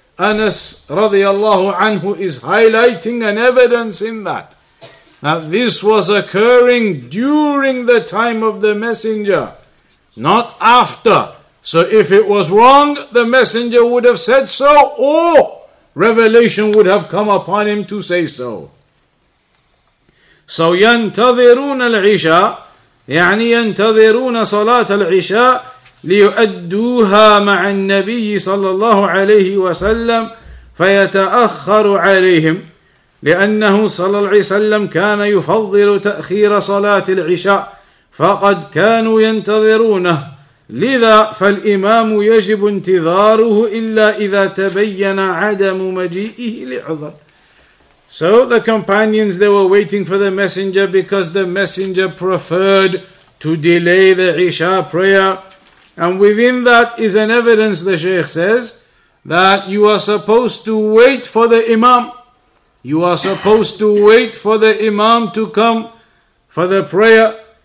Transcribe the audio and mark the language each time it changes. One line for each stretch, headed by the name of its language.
English: Anas radiallahu anhu is highlighting an evidence in that. That this was occurring during the time of the messenger, not after. So if it was wrong, the messenger would have said so, or revelation would have come upon him to say so.
Arabic: So ينتظرون العشاء, يعني ينتظرون صلاة العشاء ليؤدوها مع النبي صلى الله عليه وسلم فيتأخر عليهم لأنه صلى الله عليه وسلم كان يفضل تأخير صلاة العشاء فقد كانوا ينتظرونه لذا فالإمام يجب انتظاره إلا إذا تبين عدم مجيئه لعذر.
English: So the companions, they were waiting for the messenger because the messenger preferred to delay the Isha prayer. And within that is an evidence, the Shaykh says, that you are supposed to wait for the Imam. You are supposed to wait for the imam to come for the prayer.